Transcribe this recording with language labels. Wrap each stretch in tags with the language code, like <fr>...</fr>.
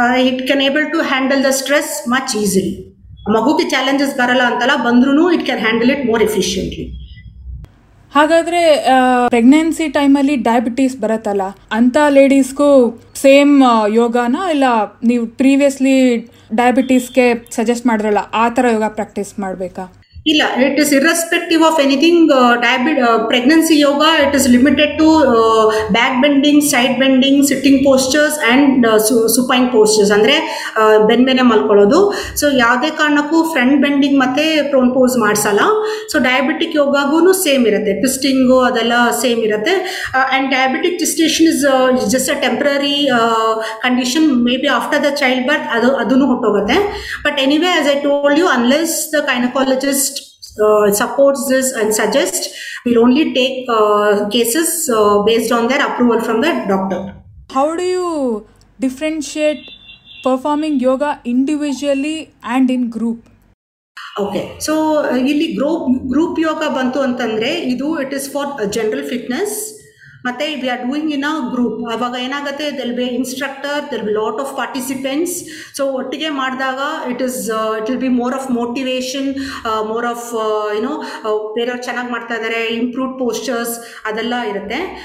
<en>It can able to handle the stress much easily.</en> <kn>Maguge challenges barala antala bandrunu</kn> <en>it can handle it more efficiently.</en> <kn>ಹಾಗಾದ್ರೆ pregnancy ಟೈಮಲ್ಲಿ diabetes ಬರತ್ತಲ್ಲ ಅಂತ ಲೇಡೀಸ್ಗೂ same ಯೋಗಾನ ಇಲ್ಲ ನೀವು previously ಡಯಾಬಿಟೀಸ್ಗೆ suggest ಮಾಡಿದ್ರಲ್ಲ ಆ ಥರ ಯೋಗ practice ಮಾಡಬೇಕಾ?</kn> <en>ಇಲ್ಲ, it is irrespective of anything pregnancy yoga. It is limited to back bending, side bending, sitting postures and supine postures</en> <kn>ಅಂದರೆ ಬೆನ್ಮೇಲೆ ಮಲ್ಕೊಳ್ಳೋದು. ಸೊ ಯಾವುದೇ ಕಾರಣಕ್ಕೂ ಫ್ರಂಟ್ ಬೆಂಡಿಂಗ್ ಮತ್ತು prone pose ಮಾಡಿಸಲ್ಲ. So diabetic ಯೋಗಾಗೂ same ಇರುತ್ತೆ, ಟ್ವಿಸ್ಟಿಂಗು ಅದೆಲ್ಲ ಸೇಮ್ ಇರುತ್ತೆ.</kn> <en>and diabetic gestation is just a temporary condition, maybe after the child birth</en> <kn>ಅದೂ ಹುಟ್ಟೋಗುತ್ತೆ.</kn> <en>But anyway as I told you unless the gynaecologist supports this and suggests, we'll only take cases based on their approval from the doctor. How do you differentiate performing yoga individually and in group? Okay.</en> <kn>So ಇಲ್ಲಿ group ಯೋಗ ಬಂತು ಅಂತಂದರೆ ಇದು</kn> <en>It is for general fitness. ಮತ್ತು we are doing in a group.</en> <kn>ಆವಾಗ ಏನಾಗುತ್ತೆ,</kn> <en>They'll be instructor, they'll be lot of participants. So</en> <kn>ಒಟ್ಟಿಗೆ ಮಾಡಿದಾಗ</kn> <en>it will be more of motivation, more of you know</en> <kn>ಬೇರೆಯವ್ರು ಚೆನ್ನಾಗಿ ಮಾಡ್ತಾ ಇದ್ದಾರೆ,</kn> <en>improved postures</en> <kn>ಅದೆಲ್ಲ ಇರುತ್ತೆ.</kn>